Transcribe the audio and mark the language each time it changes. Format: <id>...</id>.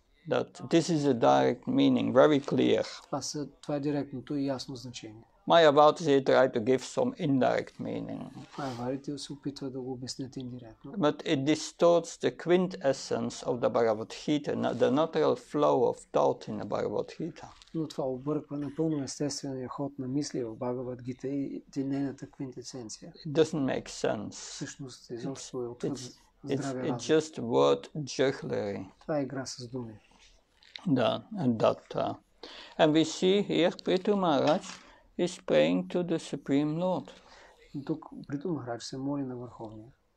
<en>That this is a direct meaning, very clear.</en> <bg>Това е директното и ясно значение.</bg> <en>Mayavati try to give some indirect meaning.</en> <bg>Mayavati се опитва да го обяснят индиректно.</bg> <en>But it distorts the quintessence of the Bhagavad Gita, the natural flow of thought in the Bhagavad Gita.</en> <bg>Но това обърква напълно естествения ход на мисли в Бхагавад Гита и нейната квинтесенция.</bg> <en>It doesn't make sense.</en> <bg>Всъщност е изобщо е отвъд здравия разум.</bg> <en>It's just word jugglery.</en> <bg>Това е игра с думи.</bg> <en>Да, and that. And we see here Prithu Maharaj is praying to the Supreme Lord.</en> <bg>Тук Прито Махарадж се моли на Върховния.</bg>